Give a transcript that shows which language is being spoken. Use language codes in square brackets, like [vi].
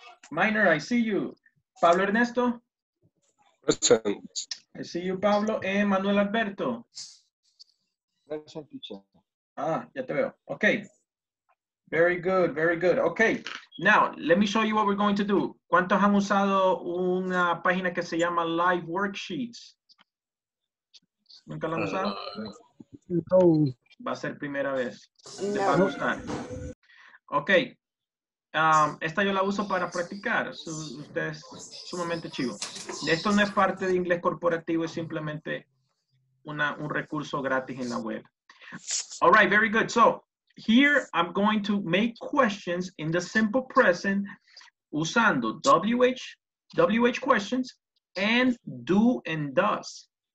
[en] Minor, I see you. Pablo Ernesto. Present. I see you, Pablo. Manuel Alberto. Present teacher. [es] Ah, ya te veo. [en] Okay. Very good, very good. Okay. Now, let me show you what we're going to do. [es] ¿Cuántos han usado una página que se llama Live Worksheets? ¿Nunca la han usado? No. Va a ser primera vez. No. Te va a gustar. Okay. Esta yo la uso para practicar. Usted es sumamente chivo. Esto no es parte de inglés corporativo, es simplemente un recurso gratis en la web. [en] All right, very good. So, here I'm going to make questions in the simple present [es] usando [en] WH questions and do and does.